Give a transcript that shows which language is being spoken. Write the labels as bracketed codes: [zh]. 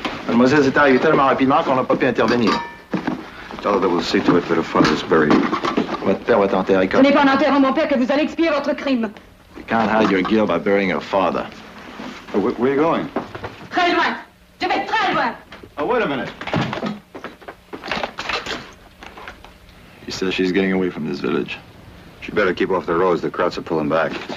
[fr] Mademoiselle, c'est arrivé tellement rapidement qu'on n'a pas pu intervenir. [en] Tell her that we'll see to it that her father is buried. [fr] Votre père va être enterré comme... Ce n'est pas en enterrant mon père que vous allez expier votre crime. [en] You can't hide your guilt by burying her father. Where are you going? [fr] Très loin. Je vais très loin. [en] Oh, wait a minute. She says she's getting away from this village. She better keep off the roads. The crowds are pulling back.